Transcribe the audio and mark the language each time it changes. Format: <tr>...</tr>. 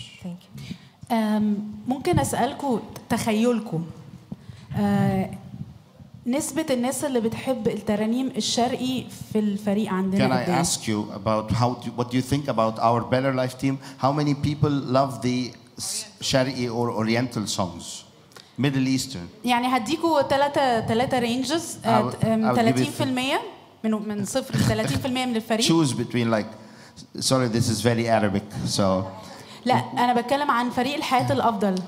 <en>Thank you.</en> <ar>ممكن اسالكم تخيلكم نسبة الناس اللي بتحب الترانيم الشرقي في الفريق عندنا</ar> <en>Can I ask you about what do you think about our Better Life team? How many people love the Shari'i or Oriental songs? Middle Eastern.</en> <ar>يعني هديكوا ثلاثة رينجز 30% من صفر 30% من الفريق</ar> <en>Choose between like sorry this is very Arabic so</en> <ar>لا انا بتكلم عن فريق الحياه الافضل</ar>